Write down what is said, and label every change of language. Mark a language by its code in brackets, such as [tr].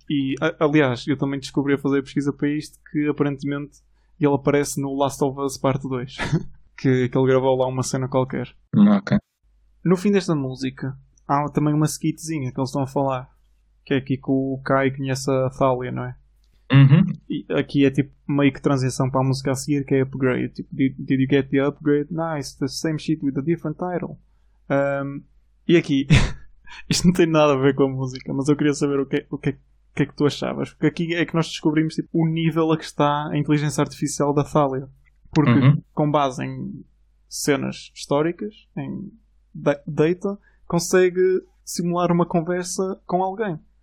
[pt] E aliás, eu também descobri a fazer pesquisa para isto que aparentemente ele aparece no Last of Us Parte 2, que ele gravou lá uma cena qualquer. Ok. No fim desta música, há também uma skitzinha que eles estão a falar, que é aqui com o Kai que conhece a Thalia, não é? E aqui é tipo meio que transição para a música a seguir, que é upgrade. [en] Tipo, did you get the upgrade? Nice, the same shit with a different title. [pt] E aqui. Isto não tem nada a ver com a música, mas eu queria saber o que é que tu achavas. Porque aqui é que nós descobrimos tipo, o nível a que está a inteligência artificial da Thalia. Porque com base em cenas históricas, em data, consegue simular uma conversa com alguém.